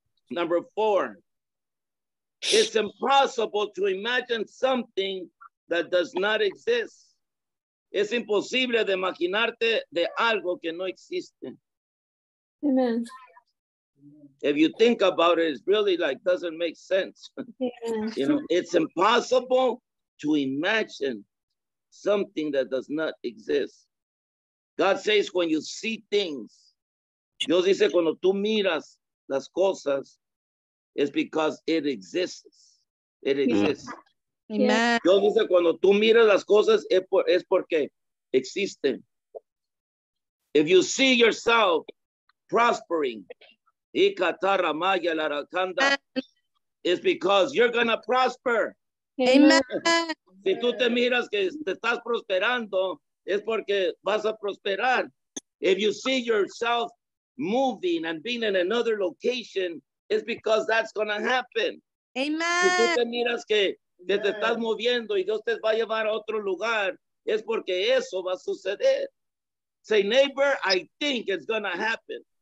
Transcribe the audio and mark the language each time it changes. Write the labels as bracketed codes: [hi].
[en] Number four. It's impossible to imagine something that does not exist. [es] Es imposible de imaginarte de algo que no existe. [en] Amen. If you think about it, it's really like doesn't make sense. Yeah. You know, it's impossible to imagine something that does not exist. God says when you see things, [es] Dios dice cuando tú miras las cosas, [en] it's because it exists. It exists. Amen. [es] Dios dice cuando tú miras las cosas, es porque existen. [en] If you see yourself prospering, it's because you're going to prosper. Amen. [es] Si tú te miras que te estás prosperando, es porque vas a prosperar. [en] If you see yourself moving and being in another location, it's because that's going to happen. Amen. [es] Si tú te miras que te estás moviendo y Dios te va a llevar a otro lugar, es porque eso va a suceder. [en] Say, neighbor, I think it's going to happen.